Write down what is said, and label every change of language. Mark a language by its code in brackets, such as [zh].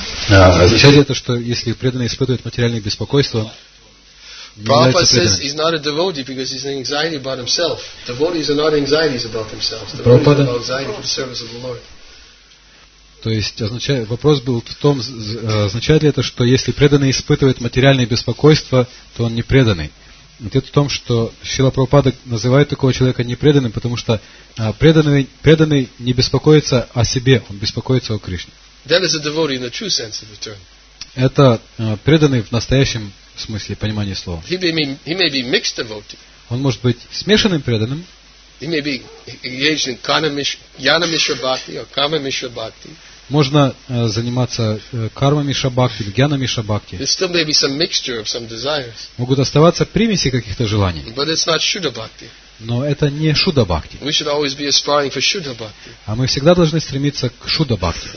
[ru] Означает это, что если преданный испытывает материальное беспокойство, [en] Prabhupada says he's not a devotee because he's in anxiety about himself. Devotees are not anxieties about themselves. Devotees are anxiety for the service of the Lord. [ru] То есть означает, вопрос был в том, означает ли это, что если преданный испытывает материальные беспокойства, то он не преданный. Ответ в том, что Шрила Прабхупада называет такого человека непреданным, потому что преданный не беспокоится о себе, он беспокоится о Кришне. [en] That is a devotee in the true sense of the term. [ru] Это преданный в настоящем смысле понимания слова. [en] He may be mixed devotee. [ru] Он может быть смешанным преданным. [en] He may be engaged in jnana-mishra-bhakti or karma-mishra-bhakti. [ru] Можно заниматься карма-мишра-бхакти, гьяна-мишра-бхакти. [en] There still may be some mixture of some desires. [ru] Могут оставаться примеси каких-то желаний. [en] But it's not shuddha-bhakti. [ru] Но это не шуддха-бхакти. [en] We should always be aspiring for shuddha-bhakti. [ru] А мы всегда должны стремиться к шуддха-бхакти.